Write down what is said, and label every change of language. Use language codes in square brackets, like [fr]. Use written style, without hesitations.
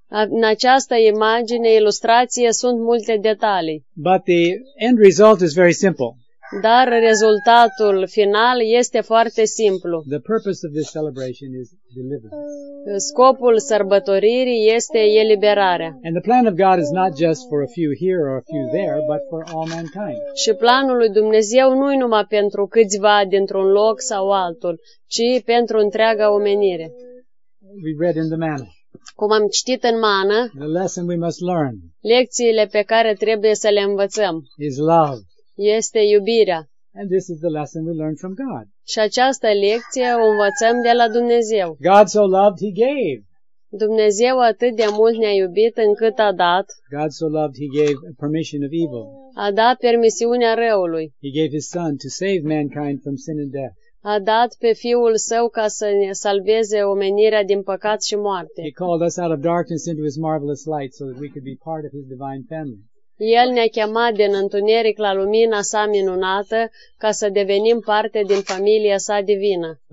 [ro] În această imagine, ilustrație, sunt multe detalii. [en] But the end result is very simple. [ro] Dar rezultatul final este foarte simplu. [en] The purpose of this celebration is deliverance. [ro] Scopul sărbătoririi este eliberarea. [en] And the plan of God is not just for a few here or a few there, but for all mankind. [ro] Și planul lui Dumnezeu nu e numai pentru câțiva dintr-un loc sau altul, ci pentru întreaga omenire. [en] We read in the manna. [ro] Cum am citit în mană, [en] the lesson we must learn. [ro] Lecțiile pe care trebuie să le învățăm. [en] Is love. [ro] Este iubirea. [en] And this is the lesson we learn from God. [ro] Și această lecție o învățăm de la Dumnezeu. [en] God so loved, he gave. [ro] Dumnezeu atât de mult ne-a iubit încât a dat. [en] God so loved, he gave permission of evil. [ro] A dat permisiunea răului. [en] He gave his son to save mankind from sin and death. [ro] A dat pe Fiul Său ca să ne salveze omenirea din păcat și moarte. [en] He called us out of darkness into his marvelous light so that we could be part of his divine family. [ro] El ne-a chemat din întuneric la lumina sa minunată ca să devenim parte din familia sa divină.